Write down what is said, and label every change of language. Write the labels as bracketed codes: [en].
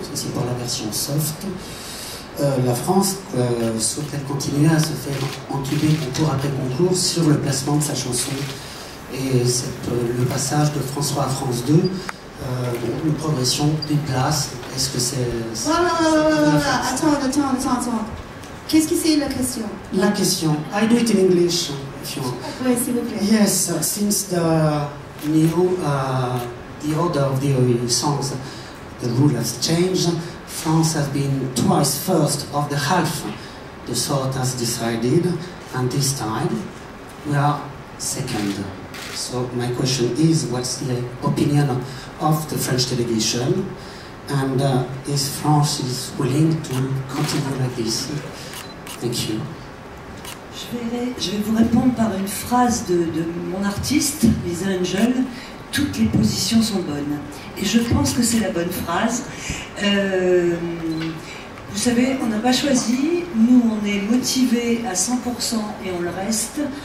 [fr] Ceci pour la version soft. La France souhaite-t-elle continuer à se faire entuber concours après concours sur le placement de sa chanson? Et le passage de France 3 à France 2, une progression d'une place, est-ce que c'est... Attends. Qu'est-ce qui c'est la question? La question. [en] I do it in English, if you want. [fr] Oui, s'il vous plaît. [en] Yes, since the new, the order of the songs, the rule has changed. France has been twice first of the half, the sort has decided, and this time we are second. So my question is, what's the opinion of the French delegation? And is France is willing to continue like this? Thank you. [fr] Je vais vous répondre par une phrase de mon artiste, Lisa Angel. Toutes les positions sont bonnes. Et je pense que c'est la bonne phrase. Vous savez, on n'a pas choisi. Nous, on est motivés à 100% et on le reste.